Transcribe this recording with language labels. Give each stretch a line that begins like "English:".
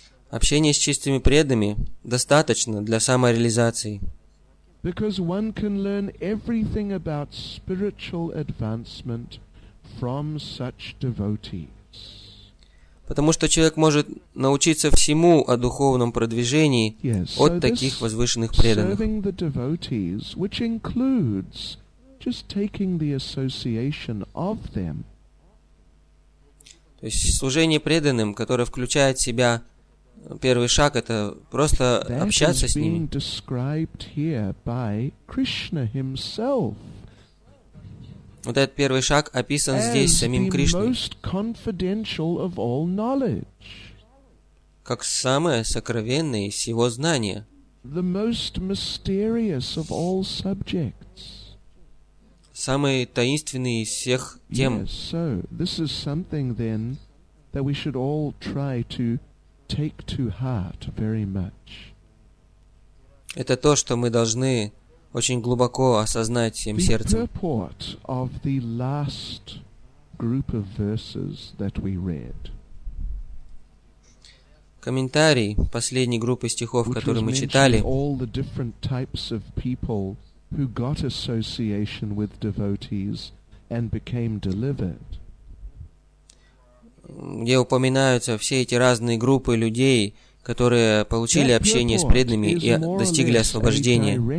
Russian: Общение с чистыми преданными достаточно для самореализации.
English: Because one can learn everything about spiritual advancement from such devotees.
Russian: Потому что человек может научиться всему о духовном продвижении от таких возвышенных преданных.
English: Serving the devotees, which includes just taking the association of them.
Russian: То есть служение преданным, которое включает в себя первый шаг — это просто общаться с ними.
English: Described here by Krishna himself.
Russian: Вот этот первый шаг описан здесь самим Кришной.
English: Most confidential of all knowledge.
Russian: Как самое сокровенное из всего знания.
English: The most mysterious of all subjects.
Russian: Самый таинственный из всех тем.
English: Yes, so this is something then that we should all try to take to heart very much.
Russian: Это то, что мы должны очень глубоко осознать всем сердцем.
English: The purport of the last group of verses that we read.
Russian: Комментарий последней группы стихов, которые мы читали.
English: All the different types of people who got association with devotees and became delivered.
Russian: Где упоминаются все эти разные группы людей, которые получили общение с преданными и достигли освобождения.